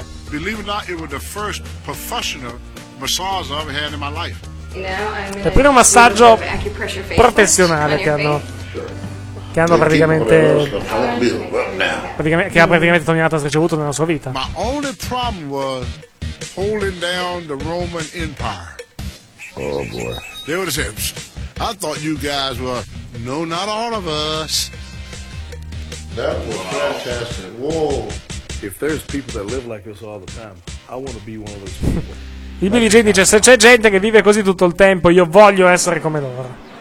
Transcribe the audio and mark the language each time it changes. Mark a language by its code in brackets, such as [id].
[en] Believe it or not, it was the first professional massage I've ever had in my life. [it] Il primo massaggio professionale che hanno praticamente, praticamente che ha praticamente Tony Atlas ricevuto nella sua vita. [en] My only problem was holding down the Roman Empire. Oh boy. They were the same. I thought you guys were no, not all of us. That was fantastic. Whoa. If there's people that live like this all the time, I want to be one of those people. [it] Il Billy Jean dice: se c'è gente che vive così tutto il tempo, io voglio essere come loro.